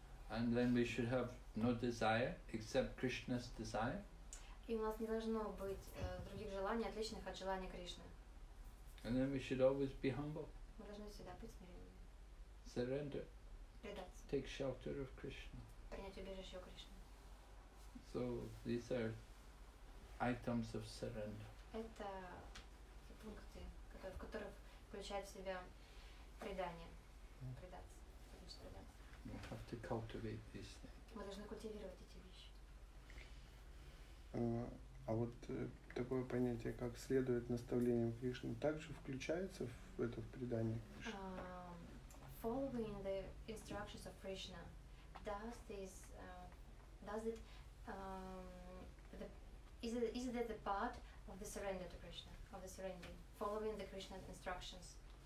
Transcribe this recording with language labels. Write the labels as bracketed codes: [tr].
[en] And then we should have no desire except Krishna's desire. [ru] И у нас не должно быть других желаний, отличных от желания Кришны. [en] And then we should always be humble. [ru] Мы должны всегда быть смиренными. [en] Surrender. [ru] Предаться. [en] Take shelter of Krishna. [ru] Принять убежище у Кришны. [en] So these are items of surrender. [ru] Это пункты, в которых включает в себя предание. Предаться. [en] We have to cultivate these things. [ru] Мы должны культивировать эти вещи. А вот такое понятие, как следует наставлениям Кришны, также включается в это в предание Кришны? [en] Following the instructions of Krishna, does this, does it, the, is it, is it a part of the surrender to Krishna, of the surrendering, following the Krishna instructions?